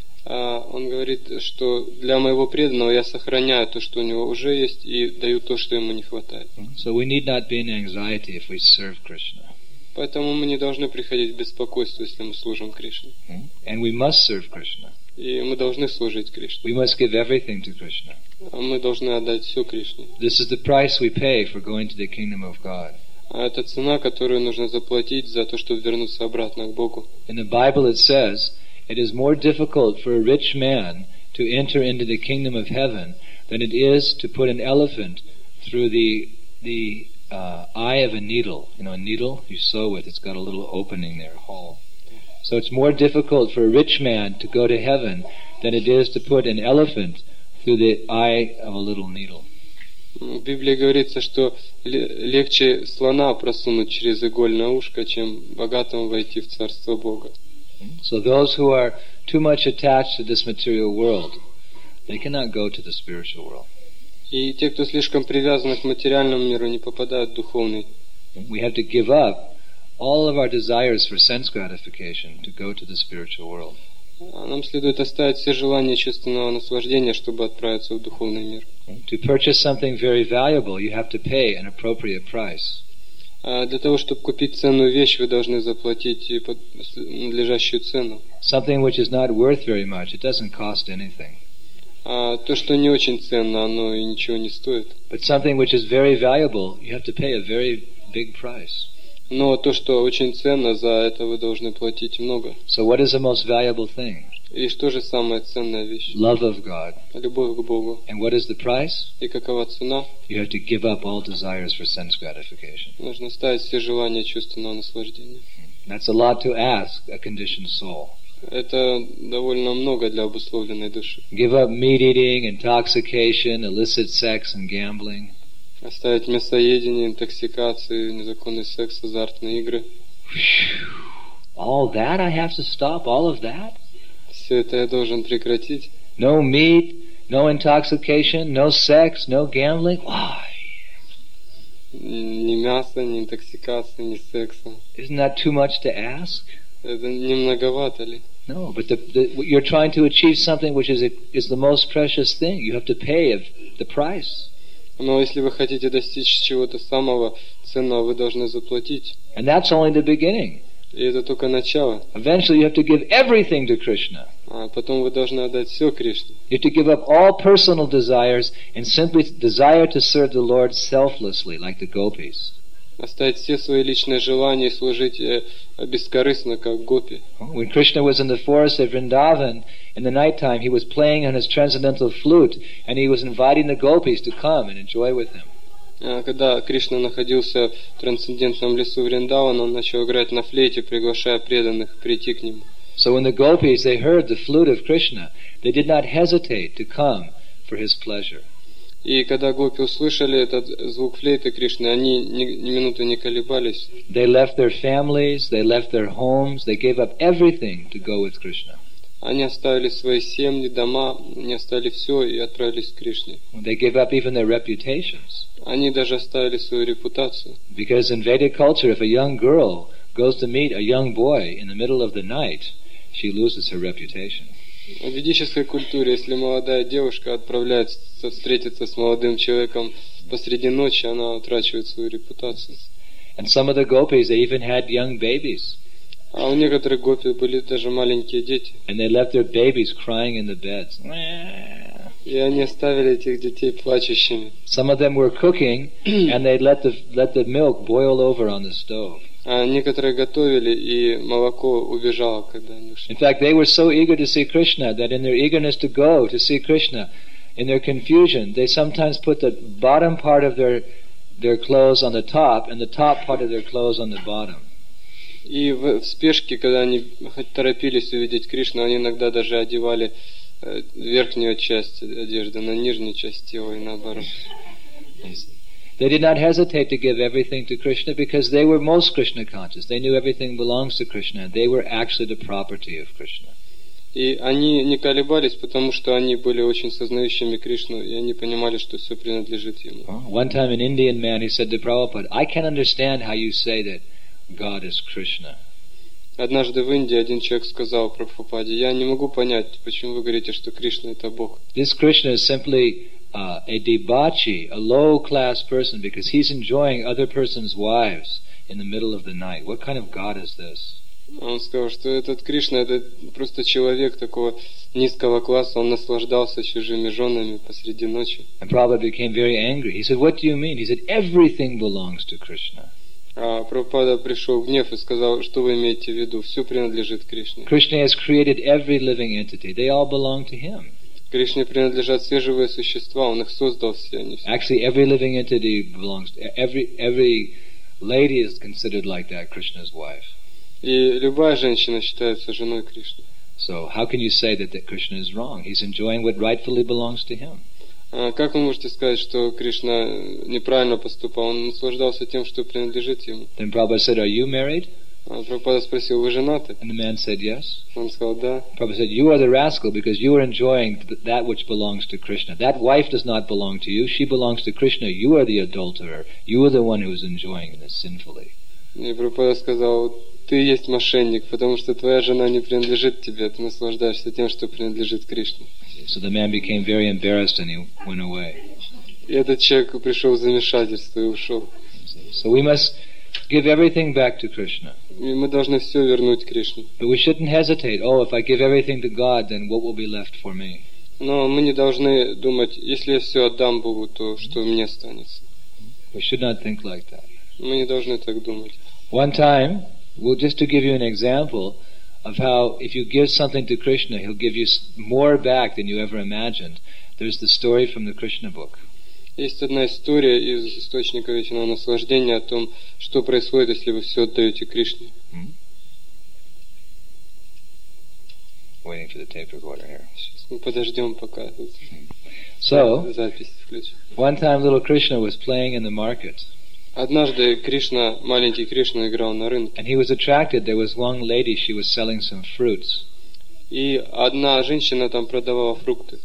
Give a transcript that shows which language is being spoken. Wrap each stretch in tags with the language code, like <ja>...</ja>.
<ru>Он говорит, что для моего преданного я сохраняю то, что у него уже есть, и даю то, что ему не хватает.</ru> <en>So we need not be in anxiety if we serve Krishna.</en> <ru>Поэтому мы не должны приходить в беспокойство, если мы служим Кришне.</ru> <en>And we must serve Krishna.</en> <ru>И мы должны служить Кришне.</ru> <en>We must give everything to Krishna.</en> <ru>Мы должны отдать все Кришне.</ru> <en>This is the price we pay for going to the kingdom of God.</en> <ru>Это цена, которую нужно заплатить за то, чтобы вернуться обратно к Богу.</ru> <en>In the Bible it says, it is more difficult for a rich man to enter into the kingdom of heaven than it is to put an elephant through the eye of a needle. You know, a needle you sew with, it's got a little opening there, a hole. So it's more difficult for a rich man to go to heaven than it is to put an elephant through the eye of a little needle.</en> <ru>В Библии говорится, что легче слона просунуть через игольное ушко, чем богатому войти в Царство Бога.</ru> <en>So those who are too much attached to this material world, they cannot go to the spiritual world.</en> <ru>И те, кто слишком привязаны к материальному миру, не попадают в духовный.</ru> <en>We have to give up all of our desires for sense gratification to go to the spiritual world.</en> <ru>Нам следует оставить все желания чувственного наслаждения, чтобы отправиться в духовный мир.</ru> <en>To purchase something very valuable, you have to pay an appropriate price.</en> <ru>Для того, чтобы купить ценную вещь, вы должны заплатить надлежащую цену.</ru> <en>Something which is not worth very much, it doesn't cost anything.</en> <ru>То, что не очень ценно, оно и ничего не стоит.</ru> <en>But something which is very valuable, you have to pay a very big price.</en> <ru>Но то, что очень ценно, за это вы должны платить много.</ru> <en>So what is the most valuable thing?</en> <ru>И что же самая ценная вещь?</ru> <en>Love of God.</en> <ru>Любовь к Богу.</ru> <en>And what is the price?</en> <ru>И какова цена?</ru> <en>You have to give up all desires for sense gratification.</en> <ru>Нужно ставить все желания чувственного наслаждения.</ru> <en>That's a lot to ask a conditioned soul.</en> <ru>Это довольно много для обусловленной души.</ru> <en>Give up meat eating, intoxication, illicit sex and gambling.</en> <ru>Оставить мясоедение, интоксикации, незаконный секс, азартные игры.</ru> <en>All that I have to stop, all of that?</en> <ru>Все это я должен прекратить.</ru> <en>No meat, no intoxication, no sex, no gambling. Why?</en> <ru>Ни мяса, ни интоксикации, ни секса.</ru> <en>Isn't that too much to ask?</en> <ru>Это не многовато ли?</ru> <en>No, but you're trying to achieve something which is the most precious thing. You have to pay the price.</en> <ru>Но если вы хотите достичь чего-то самого ценного, вы должны заплатить.</ru> <en>And that's only the beginning.</en> <ru>И это только начало.</ru> <en>Eventually you have to give everything to Krishna.</en> <ru>А потом вы должны отдать все Кришне.</ru> <en>You have to give up all personal desires and simply desire to serve the Lord selflessly, like the gopis.</en> <ru>Оставить все свои личные желания и служить бескорыстно, как гопи.</ru> <en>When Krishna was in the forest of Vrindavan in the night time, he was playing on his transcendental flute and he was inviting the gopis to come and enjoy with him.</en> <ru>Когда Кришна находился в трансцендентном лесу Вриндавана, он начал играть на флейте, приглашая преданных прийти к нему.</ru> <en>So when the gopis they heard the flute of Krishna, they did not hesitate to come for his pleasure.</en> <ru>И когда гопи услышали этот звук флейты Кришны, они ни минуты не колебались.</ru> <en>They left their families, they left their homes, they gave up everything to go with Krishna.</en> <ru>Они оставили свои семьи, дома, они оставили все и отправились к Кришне.</ru> <en>They gave up even their reputations.</en> <ru>Они даже оставили свою репутацию.</ru> <en>Because in Vedic culture, if a young girl goes to meet a young boy in the middle of the night, she loses her reputation.</en> <ru>В ведической культуре, если молодая девушка отправляется встретиться с молодым человеком посреди ночи, она утрачивает свою репутацию.</ru> <en>And some of the gopis, they even had young babies.</en> <ru>А у некоторых гопи были даже маленькие дети.</ru> <en>And they left their babies crying in the beds.</en> <ru>И они оставили этих детей плачущими.</ru> <en>Some of them were cooking, and they let the milk boil over on the stove.</en> <ru>А некоторые готовили, и молоко убежало, когда они ушли.</ru> <en>In fact, they were so eager to see Krishna that in their eagerness to go to see Krishna, in their confusion, they sometimes put the bottom part of their clothes on the top and the top part of their clothes on the bottom.</en> <ru>И в спешке, когда они торопились увидеть Кришну, они иногда даже одевали верхнюю часть одежды на нижнюю часть тела и наоборот.</ru> <en>They did not hesitate to give everything to Krishna because they were most Krishna conscious. They knew everything belongs to Krishna. They were actually the property of Krishna.</en> <ru>И они не колебались, потому что они были очень сознающими Кришну, и они понимали, что все принадлежит ему.</ru> <en>One time an Indian man, he said to Prabhupada, I can't understand how you say that God is Krishna.</en> <ru>Однажды в Индии один человек сказал Прабхупаде, я не могу понять, почему вы говорите, что Кришна это Бог.</ru> <en>This Krishna is simply a debauchee, a low class person, because he's enjoying other person's wives in the middle of the night. What kind of God is this?</en> <ru>Он сказал, что этот Кришна это просто человек такого низкого класса, он наслаждался чужими женами посреди ночи.</ru> <en>And Prabhupada became very angry. He said, what do you mean? He said, everything belongs to Krishna.</en> <ru>Прабхупада пришел в гнев и сказал, что вы имеете в виду? Все принадлежит Кришне.</ru> <en>Krishna has created every living entity. They all belong to him.</en> <ru>Кришне принадлежат все живые существа, он их создал все. Они все.</ru> <en>Actually, every living entity belongs to every lady is considered like that, Krishna's wife.</en> <ru>И любая женщина считается женой Кришны.</ru> <en>So how can you say that Krishna is wrong? He's enjoying what rightfully belongs to him.</en> <ru>Как вы можете сказать, что Кришна неправильно поступал? Он наслаждался тем, что принадлежит ему.</ru> <en>Then Prabhupada said, are you married?</en> <ru>Прабхупада спросил, вы женаты?</ru> <en>And the man said yes.</en> <ru>Он сказал, да.</ru> <en>Prabhupada said, you are the rascal because you are enjoying that which belongs to Krishna. That wife does not belong to you, she belongs to Krishna. You are the adulterer. You are the one who is enjoying this sinfully.</en> <ru>И Прабхупада сказал, ты есть мошенник, потому что твоя жена не принадлежит тебе, ты наслаждаешься тем, что принадлежит Кришне.</ru> <en>So the man became very embarrassed and he went away.</en> <ru>И этот человек пришел в замешательство и ушел.</ru> <en>So we must give everything back to Krishna.</en> <ru>И мы должны все вернуть Кришне.</ru> <en>But we shouldn't hesitate. Oh, if I give everything to God, then what will be left for me?</en> <ru>Но мы не должны думать, если я все отдам Богу, то что мне останется?</ru> <en>We should not think like that.</en> <ru>Мы не должны так думать.</ru> <en>One time, well, just to give you an example of how if you give something to Krishna, he'll give you more back than you ever imagined. There's the story from the Krishna book.</en> <ru>Есть одна история из источника вечного наслаждения о том, что происходит, если вы все отдаете Кришне. Mm-hmm.</ru> <en>Waiting for the tape recorder here.</en> <ru>Мы подождем пока.</ru> <en>So,</en> <ru>запись включу.</ru> <en>One time little Krishna was playing in the market.</en> <ru>Однажды Кришна, маленький Кришна, играл на рынке.</ru> <en>And he was attracted. There was one lady, she was selling some fruits.</en> <ru>И одна женщина там продавала фрукты.</ru>